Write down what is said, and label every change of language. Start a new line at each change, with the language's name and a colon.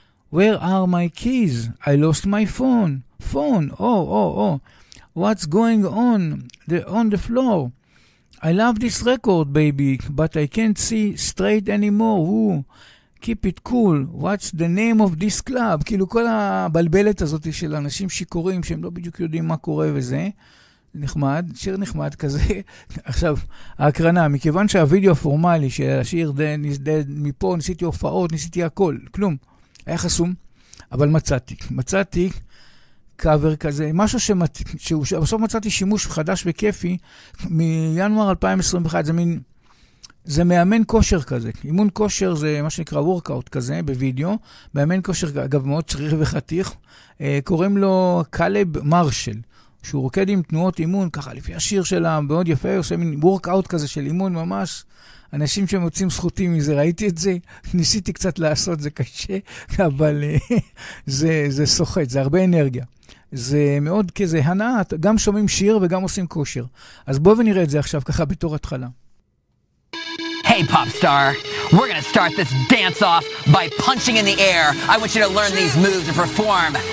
English: Where are my keys? I lost my phone. Oh, oh, oh. What's going on the floor? I love this record, baby, but I can't see straight anymore. Ooh, keep it cool. What's the name of this club?
Hebrew: כאילו כל הבלבלת הזאת של אנשים שיקורים, שהם לא בדיוק יודעים מה קורה וזה, נחמד, שיר נחמד כזה. עכשיו, ההקרנה, מכיוון שהוידאו הפורמלי של השיר, מפה ניסיתי הופעות, ניסיתי הכל, כלום, היה חסום, אבל מצאתי, קאבר כזה, משהו שבסוף מצאתי שימוש חדש וכיפי מינואר 2021, זה מאמן כושר כזה, אימון כושר זה מה שנקרא וורקאוט כזה בווידאו, מאמן כושר אגב מאוד צריך וחתיך, קוראים לו קלב מרשל, שהוא רוקד עם תנועות אימון ככה לפי השיר שלה, מאוד יפה, עושה מין וורקאוט כזה של אימון ממש, אנשים שמוצאים זכותים מזה, ראיתי את זה, ניסיתי קצת לעשות, זה קשה, אבל זה סוחט, זה הרבה אנרגיה. זה מאוד כזה הנאה, גם שומעים שיר וגם עושים כושר. אז בואו ונראה את זה עכשיו ככה בתור התחלה.
English: Hey pop star, we're gonna start this dance off by punching in the air. I want you to learn these moves and perform.